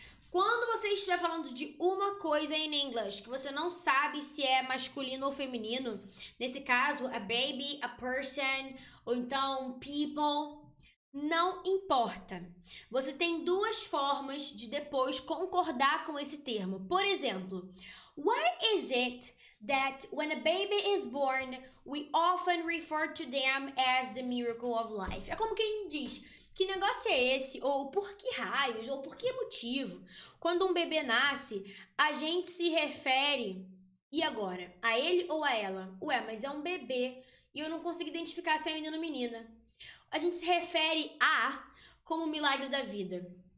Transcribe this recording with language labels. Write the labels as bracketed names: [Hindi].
[Portuguese] Quando você estiver falando de uma coisa em inglês que você não sabe se é masculino ou feminino, nesse caso, a baby, a person, ou então people, não importa. Você tem duas formas de depois concordar com esse termo. Por exemplo, [English] why is it that when a baby is born, we often refer to them as the miracle of life? [Portuguese] É como quem diz. Que negócio é esse? Ou por que raios? Ou por que motivo? Quando um bebê nasce, a gente se refere. E agora? A ele ou a ela? Ué, mas é um bebê e eu não consigo identificar se é menino ou menina. A gente se refere a como o milagre da vida.